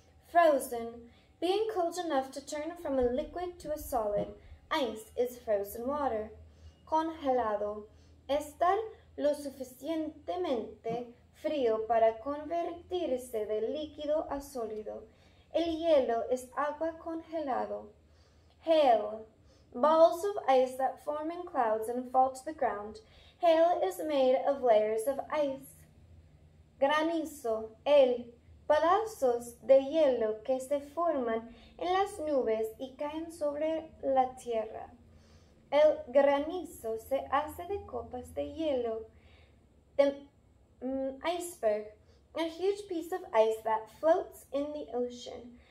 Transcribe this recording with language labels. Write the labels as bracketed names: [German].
[English] Frozen, being cold enough to turn from a liquid to a solid. Ice is frozen water. [Spanish] Congelado, estar lo suficientemente frío para convertirse de líquido a sólido. El hielo es agua congelado. [English] Hail. Balls of ice that form in clouds and fall to the ground. Hail is made of layers of ice. [Spanish] Granizo. El. Pedazos de hielo que se forman en las nubes y caen sobre la tierra. El granizo se hace de copas de hielo. [English] Iceberg, a huge piece of ice that floats in the ocean.